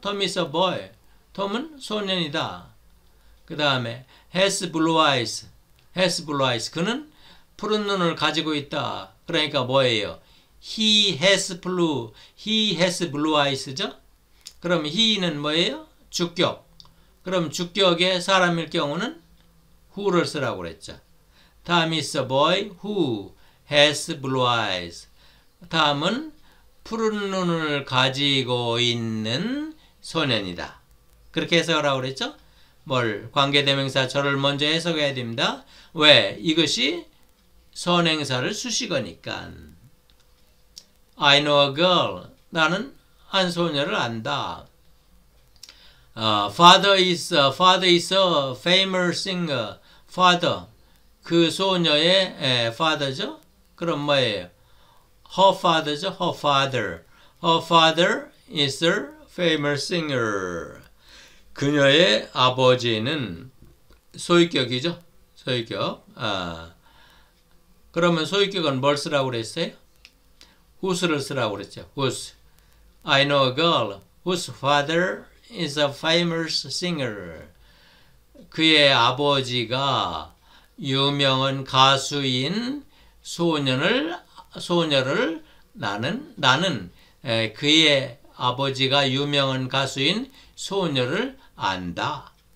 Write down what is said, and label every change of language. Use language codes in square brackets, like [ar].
[en] Tom is a boy. [ko] Tom은 소년이다. 그 다음에 [en] has blue eyes. Has blue eyes. [ko] 그는 푸른 눈을 가지고 있다. 그러니까 뭐예요? [en] He has blue eyes죠? [ko] 그럼 he는 뭐예요? 주격. 그럼 주격의 사람일 경우는 who를 쓰라고 그랬죠. [en] Tom is a boy who has blue eyes. [ko] 다음은 푸른 눈을 가지고 있는 소년이다. 그렇게 해석을 하라고 그랬죠? 뭘? 관계대명사 저를 먼저 해석해야 됩니다. 왜? 이것이 선행사를 수식어니까. [en] I know a girl. [ko] 나는 한 소녀를 안다. [en] Father is a famous singer. Father. [ko] 그 소녀의 father죠? 그럼 뭐예요? Her father죠? [en] Her father. Her father is a famous singer. [ko] 그녀의 아버지는 소유격이죠? 소유격. 그러면 소유격은 뭘 쓰라고 그랬어요? Whose를 쓰라고 그랬죠? Whose. [en] I know a girl whose father is a famous singer. [ko] 그의 아버지가 유명한 가수인 그의 아버지가 유명한 가수인 소녀를 안다.